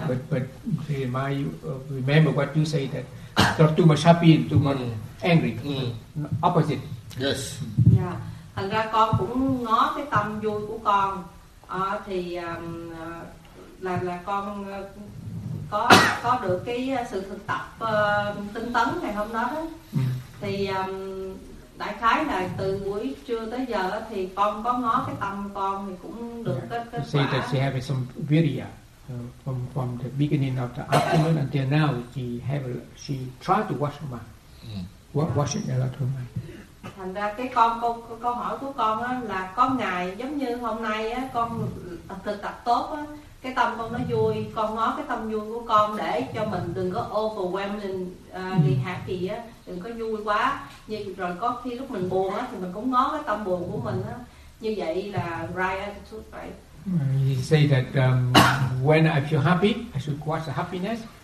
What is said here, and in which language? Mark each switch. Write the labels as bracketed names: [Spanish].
[English] But she might remember what you say, that not too much happy, too much angry. Opposite. Yes. Yeah. [Vietnamese] Thành ra con cũng ngó cái tâm vui của con thì là con có được cái sự thực tập tinh tấn ngày hôm đó. Thì đại khái là từ buổi trưa tới giờ thì con có ngó cái tâm con thì cũng được kết quả. [English] She said that she have some virya from the beginning of the afternoon until now. She tried to wash her mind. Washing a lot of her mind. [Vietnamese] Thành ra cái câu hỏi của con á, là có ngày giống như hôm nay á, con thực tập tốt á, cái tâm con nó vui, con ngó cái tâm vui của con để cho mình đừng có [English] overwhelming happy [Vietnamese] á, đừng có vui quá. Như rồi có khi lúc mình buồn á, thì mình cũng ngó cái tâm buồn của mình á. Như vậy là [English] right attitude, right? He said that when I feel happy, I should watch the happiness.